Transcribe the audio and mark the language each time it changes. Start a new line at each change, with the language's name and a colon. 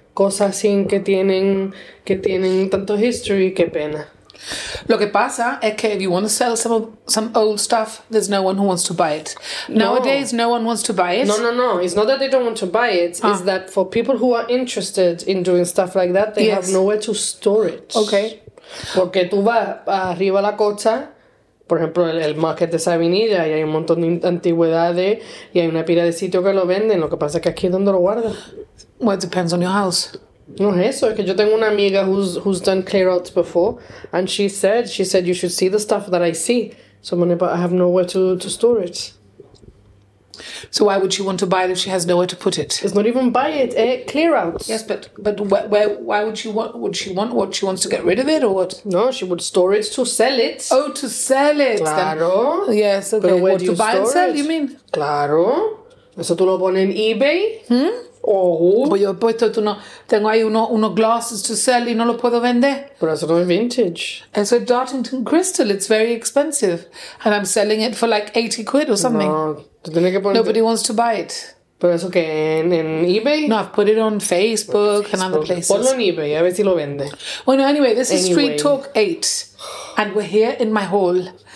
Spanish: Cosas así que tienen tanto history. Qué pena. Lo que pasa es que
English: if you want to sell some old stuff, there's no one who wants to buy it. Nowadays, no one wants to buy it. No. It's not that they don't want to buy it. Ah. It's that for people who are interested in doing stuff like that, they have nowhere to store it. Okay.
Spanish: Porque tú vas arriba a la costa, por ejemplo, el market de Sabinilla, y hay un montón de antigüedades, y hay una pila de sitio que lo venden. Lo que pasa es que aquí es donde lo guardan.
English: Well, it depends on your house.
Spanish: No es eso, es que yo tengo una amiga
English: who's done clear outs before, and she said you should see the stuff that I see. So I'm like, but I have nowhere to store it. So why would she want to buy it if she has nowhere to put it? It's not even buy it, eh? Clear out. Yes, but where why would she want? Would she want what? She wants to get rid of it or what? No, she would store it to sell it. Oh, to sell it.
Spanish: Claro.
English: Then, yes, okay. But where do you buy store and sell, it? You mean?
Spanish: Claro. Eso tú lo pones en eBay. Hmm? Oh. Pues yo he puesto, tú no, tengo ahí unos
English: glasses to sell
Spanish: y no lo puedo vender. Pero eso no es vintage.
English: It's a Dartington crystal, it's very expensive. And I'm selling it for like 80 quid or something.
Spanish: No, tú tienes que poner.
English: Nobody wants to buy it.
Spanish: Pero eso que en eBay.
English: No, I've put it on Facebook and other places.
Spanish: Ponlo en eBay, a ver si lo vende.
English: Bueno, anyway, this is anyway. Street Talk 8. And we're here in my hall.